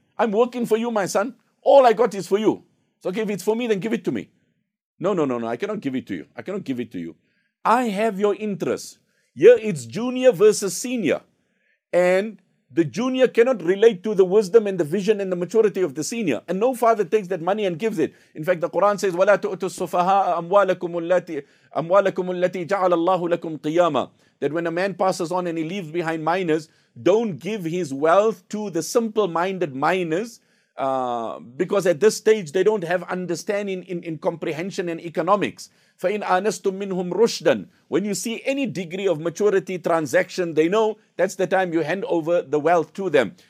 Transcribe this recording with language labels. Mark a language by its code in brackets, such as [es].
[en] I'm working for you, my son. All I got is for you. So okay, if it's for me, then give it to me. No. I cannot give it to you. I have your interests. Here it's junior versus senior. And the junior cannot relate to the wisdom and the vision and the maturity of the senior. And no father takes that money and gives it. In fact, the Quran says, [ar] وَلَا تُؤْتُوا السُّفَهَاءَ أَمْوَالَكُمُ الَّتِي جَعَلَ اللَّهُ لَكُمْ قِيَامًا. [en] That when a man passes on and he leaves behind minors, don't give his wealth to the simple-minded minors because at this stage they don't have understanding in comprehension and economics. [ar] فَإِنْ أَنَسْتُمْ مِنْهُمْ رُشْدًا. [en] When you see any degree of maturity, transaction, they know that's the time you hand over the wealth to them.